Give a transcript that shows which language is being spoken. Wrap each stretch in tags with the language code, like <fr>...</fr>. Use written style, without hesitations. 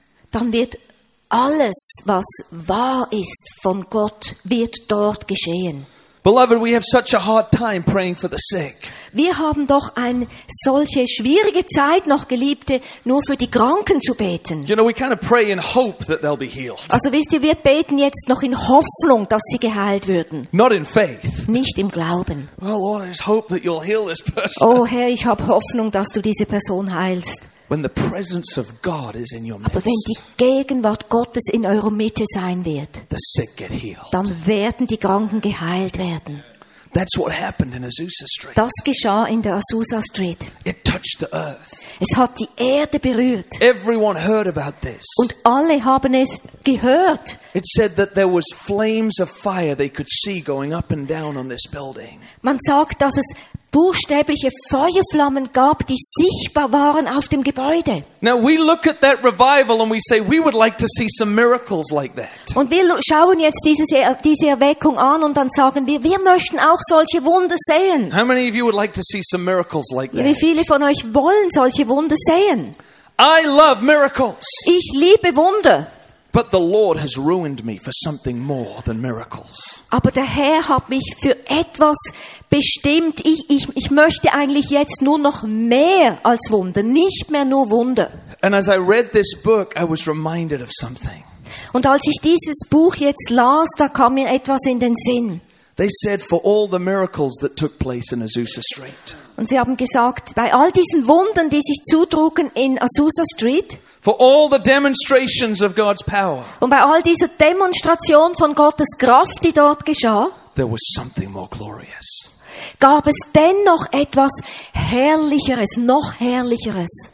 <de>Dann wird alles, was wahr ist von Gott, wird dort geschehen.</de> <en>Beloved, we have such a hard time praying for the sick.</en> <de>Wir haben doch eine solche schwierige Zeit noch, Geliebte, nur für die Kranken zu beten.</de> <en>You know, we kind of pray in hope that they'll be healed.</en> <de>Also wisst ihr, wir beten jetzt noch in Hoffnung, dass sie geheilt würden.</de> <en>Not in faith.</en> <de>Nicht im Glauben.</de> <en>Oh Lord, I just hope that you'll heal this person.</en> <de>Oh Herr, ich habe Hoffnung, dass du diese Person heilst.</de> <en>When the presence of God is in your midst,</en> <de>aber wenn die Gegenwart Gottes in eurer Mitte sein wird,</de> <en>the sick get healed.</en> <de>Dann werden die Kranken geheilt werden.</de> <en>That's what happened in Azusa Street.</en> <de>Das geschah in der Azusa Street.</de> <en>It touched the earth.</en> <de>Es hat die Erde berührt.</de> <en>Everyone heard about this.</en> <de>Und alle haben es gehört.</de> <en>It said that there was flames of fire they could see going up and down on this building.</en> <de>Man sagt, dass es buchstäbliche Feuerflammen gab, die sichtbar waren auf dem Gebäude.</de> <en>Now we look at that revival and we say we would like to see some miracles like that.</en> <de>Und wir schauen jetzt diese Erweckung an und dann sagen wir möchten auch solche Wunder sehen.</de> <en>How many of you would like to see some miracles like that?</en> <de>Wie viele von euch wollen solche Wunder sehen?</de> <en>I love miracles.</en> <de>Ich liebe Wunder.</de> <en>But the Lord has ruined me for something more than miracles.</en> <de>Aber der Herr hat mich für etwas bestimmt. Ich möchte eigentlich jetzt nur noch mehr als Wunder, nicht mehr nur Wunder.</de> <en>And as I read this book, I was reminded of something.</en> <de>Und als ich dieses Buch jetzt las, da kam mir etwas in den Sinn.</de> <en>They said for all the miracles that took place in Azusa Street.</en> <de>Und sie haben gesagt, bei all diesen Wundern, die sich zutrugen in Azusa Street.</de> <en>For all the demonstrations of God's power.</en> <de>Und bei all dieser Demonstration von Gottes Kraft, die dort geschah.</de> <en>There was something more glorious.</en> <de>Gab es dennoch etwas Herrlicheres, noch Herrlicheres?</de>